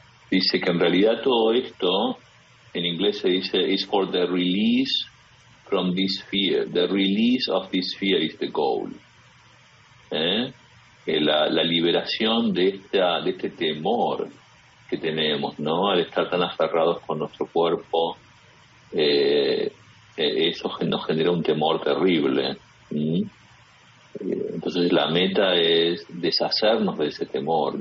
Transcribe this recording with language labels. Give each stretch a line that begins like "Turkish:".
Spanish: Dice que en realidad todo esto, en inglés se dice,
English: is for the release from this fear. The release of this fear is the goal.
Spanish: La liberación de este temor que tenemos, ¿no? Al estar tan aferrados con nuestro cuerpo, eso nos genera un temor terrible. Entonces la meta es deshacernos de ese temor.